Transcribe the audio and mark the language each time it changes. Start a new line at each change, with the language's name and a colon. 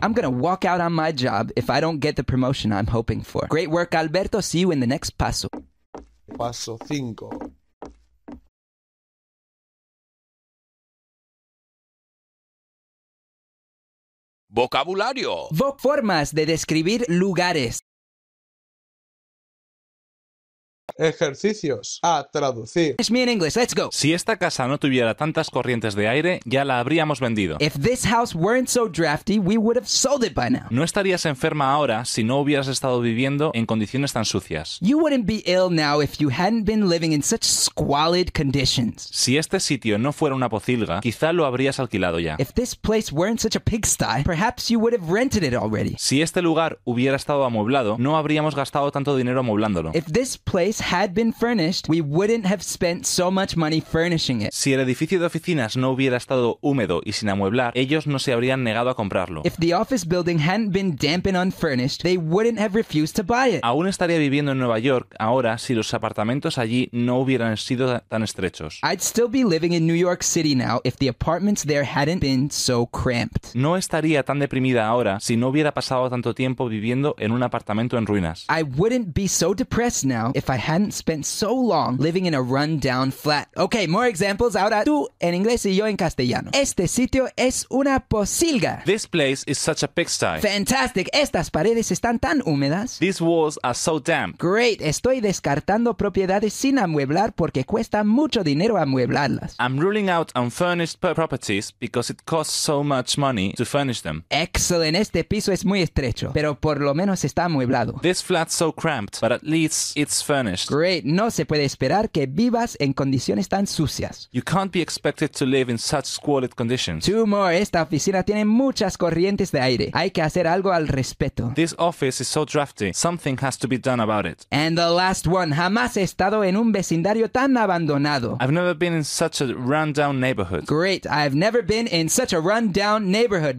English: I'm gonna walk out on my job if I don't get the promotion I'm hoping for. Great work, Alberto. See you in the next paso.
Spanish: Paso 5. Vocabulario. Formas de describir lugares. Ejercicios. A traducir.
English: Finish me in English. Let's go.
Spanish: Si esta casa no tuviera tantas corrientes de aire, ya la habríamos vendido.
English: If this house weren't so drafty, we would have sold it by now.
Spanish: No estarías enferma ahora si no hubieras estado viviendo en condiciones tan sucias.
English: You wouldn't be ill now if you hadn't been living in such squalid conditions.
Spanish: Si este sitio no fuera una pocilga, quizá lo habrías alquilado ya.
English: If this place weren't such a pigsty, perhaps you would have rented it already.
Spanish: Si este lugar hubiera estado amueblado, no habríamos gastado tanto dinero amueblándolo.
English: If this place had been furnished, we wouldn't have spent so much money furnishing it.
Spanish: Si el edificio de oficinas no hubiera estado húmedo y sin amueblar, ellos no se habrían negado a comprarlo.
English: If the office building hadn't been damp and unfurnished, they wouldn't have refused to buy it.
Spanish: Aún estaría viviendo en Nueva York ahora si los apartamentos allí no hubieran sido tan estrechos.
English: I'd still be living in New York City now if the apartments there hadn't been so cramped.
Spanish: No estaría tan deprimida ahora si no hubiera pasado tanto tiempo viviendo en un apartamento en ruinas.
English: I wouldn't be so depressed now if I hadn't spent so long living in a run-down flat. Okay, more examples.
Spanish: Ahora tú en inglés y yo en castellano. Este sitio es una pocilga.
English: This place is such a pigsty. Fantastic.
Spanish: Estas paredes están tan húmedas.
English: These walls are so damp. Great.
Spanish: Estoy descartando propiedades sin amueblar porque cuesta mucho dinero amueblarlas.
English: I'm ruling out unfurnished properties because it costs so much money to furnish them. Excellent.
Spanish: Este piso es muy estrecho, pero por lo menos está amueblado.
English: This flat's so cramped, but at least it's furnished. Great.
Spanish: No se puede esperar que vivas en condiciones tan sucias.
English: You can't be expected to live in such squalid conditions. Two more.
Spanish: Esta oficina tiene muchas corrientes de aire. Hay que hacer algo al respecto.
English: This office is so drafty. Something has to be done about it. And the last one. Jamás he estado en un vecindario tan abandonado. I've never been in such a run-down neighborhood. Great. I've never been in such a run-down neighborhood.